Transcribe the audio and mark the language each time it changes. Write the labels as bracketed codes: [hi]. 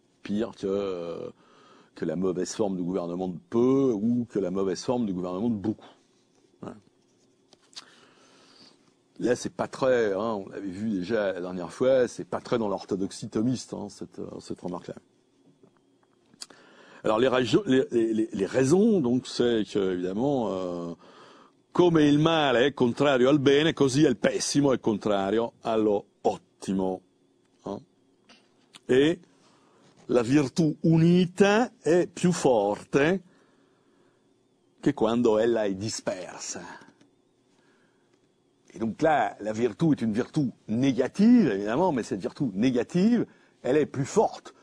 [fr] Pire que la mauvaise forme du gouvernement de peu ou que la mauvaise forme du gouvernement de beaucoup. Ouais. Là, c'est pas très, hein, on l'avait vu déjà la dernière fois, c'est pas très dans l'orthodoxie thomiste, hein, cette remarque-là. Alors les raisons, donc, c'est que évidemment, [it] come il male è contrario al bene, così il pessimo è contrario allo ottimo. Hein? Et la virtù unita è più forte che quando ella è dispersa. [fr] Et donc là, la virtù est une virtù négative, évidemment, mais cette virtù négative, elle est plus forte.